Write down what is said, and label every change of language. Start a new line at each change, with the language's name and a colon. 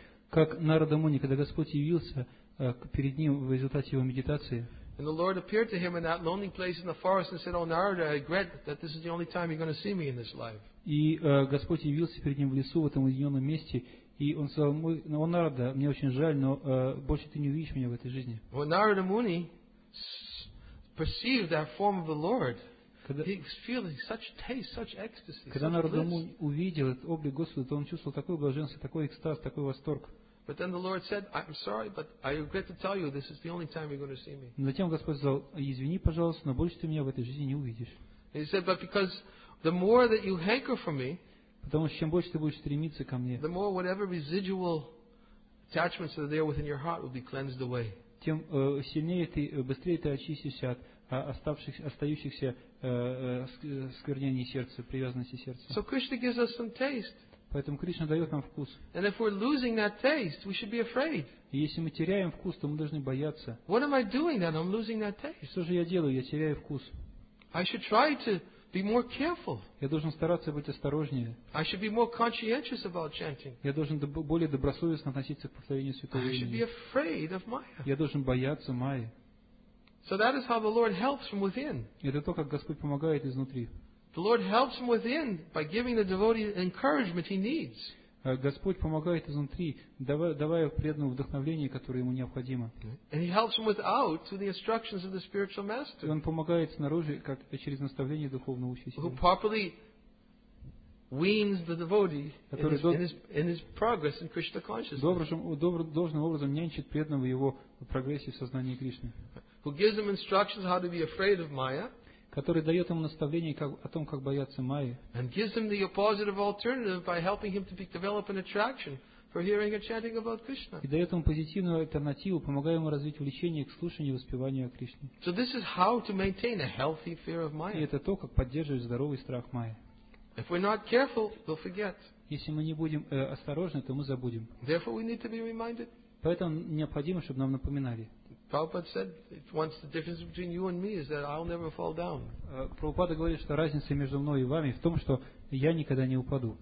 Russian: Как Нарада Муни, когда Господь явился перед ним в результате его медитации.
English: And the Lord appeared to him in that lonely place in the forest and said, "Oh Narada, I regret that this is the only time you're going to see me in this life."
Russian: И Господь явился перед ним в лесу в этом уединенном месте, и он сказал: "О Нарада, мне очень жаль, но больше ты не увидишь меня в этой жизни."
English: When Narada Muni perceived that form of the Lord, he was feeling such taste, such ecstasy.
Russian: Когда Нарада Муни увидел этот облик Господа, то он чувствовал такое блаженство, такой экстаз, такой восторг.
English: But then the Lord said, "I'm sorry, but I regret to tell you, this is the only time you're going to see me."
Russian: Но затем Господь сказал: "Извини, пожалуйста, но больше ты меня в этой жизни не увидишь."
English: He said, "But because the more that you hanker for me,
Russian: потому что чем больше ты будешь стремиться ко мне,
English: the more whatever residual attachments are there within your heart will be cleansed away."
Russian: Тем сильнее ты, быстрее ты очистишься от остающихся сквернений сердца, привязанности сердца.
English: So Krishna gives us some taste.
Russian: Поэтому Кришна дает нам вкус.
English: And if we're losing that taste, we should be afraid.
Russian: И если мы теряем вкус, то мы должны бояться.
English: What am I doing then? I'm losing that taste.
Russian: И что же я делаю? Я теряю вкус.
English: I should try to be more careful.
Russian: Я должен стараться быть осторожнее.
English: I should be more conscientious about chanting.
Russian: Я должен более добросовестно относиться к повторению святого имени.
English: I should be afraid of Maya.
Russian: Я должен бояться Майи.
English: So that is how the Lord helps from within.
Russian: Это то, как Господь помогает изнутри.
English: The Lord helps from within by giving the devotee the encouragement he needs.
Russian: Господь помогает изнутри, давая преданному вдохновение, которое ему необходимо.
English: And he helps from without through the instructions of the spiritual master.
Russian: И он помогает снаружи, как через наставление духовного учителя.
English: Who properly weans the devotee in his progress in Krishna consciousness.
Russian: Должным образом нянчит преданного в его прогрессе в сознании Кришны.
English: Who gives him instructions how to be afraid of Maya?
Russian: Который дает ему наставление о том, как бояться Майи.
English: And gives him the positive alternative by helping him to develop an attraction for hearing and chanting about Krishna.
Russian: И дает ему позитивную альтернативу, помогая ему развить влечение к слушанию и воспеванию о Кришне.
English: So this is how to maintain a healthy fear of Maya.
Russian: И это то, как поддерживать здоровый страх Майи.
English: If we're not careful, we'll forget.
Russian: Если мы не будем осторожны, то мы забудем.
English: Therefore, we need to be reminded.
Russian: Поэтому необходимо, чтобы нам напоминали.
English: Prabhupada said, "Once the difference between you and me is that I'll never fall down."
Russian: Прабхупада говорит, что разница между мной и вами в том, что я никогда не упаду.